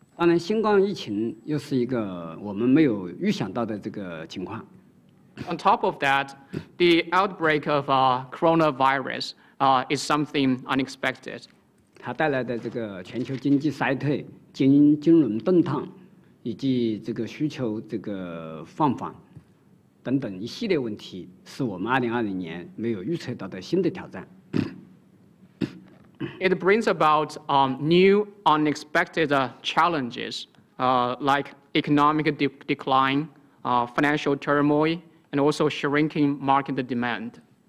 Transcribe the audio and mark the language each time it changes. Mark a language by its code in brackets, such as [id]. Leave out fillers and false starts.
[en] On top of that, the outbreak of coronavirus is something unexpected. [zh] 它带来的这个全球经济衰退，经济金融动荡，以及这个需求这个放缓等等一系列问题，是我们2020年没有预测到的新的挑战。 [en] It brings about new unexpected challenges, like economic decline, financial turmoil, and also shrinking market demand.